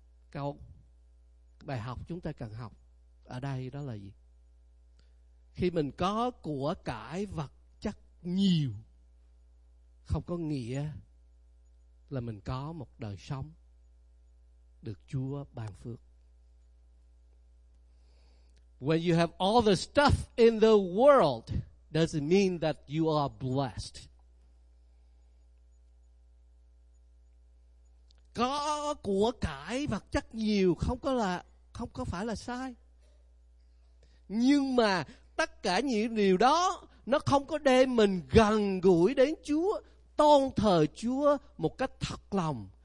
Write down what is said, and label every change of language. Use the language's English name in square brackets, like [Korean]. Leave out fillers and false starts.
[Vietnamese] Câu bài học chúng ta cần học ở đây đó là gì? Khi mình có của cải vật chất nhiều, không có nghĩa là mình có một đời sống được Chúa ban phước. [English] When you have all the stuff in the world doesn't mean that you are blessed. [Vietnamese] Có của cải vật chất nhiều không có phải là sai. Nhưng mà tất cả những điều đó nó không có đem mình gần gũi đến Chúa, tôn thờ Chúa một cách thật lòng.